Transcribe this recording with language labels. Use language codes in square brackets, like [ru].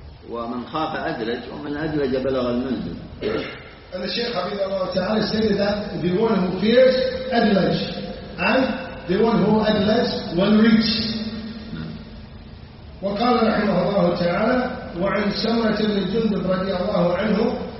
[ar] ومن خاف أدرج ومن أدرج بلغ المنزل. [en] And the Shaykh Habib Allah Ta'ala stated that the one who fears adlaj, and the one who adlaj will reach. [ar] وقال رحمه الله تعالى وعن سمرة بن جندب رضي الله عنه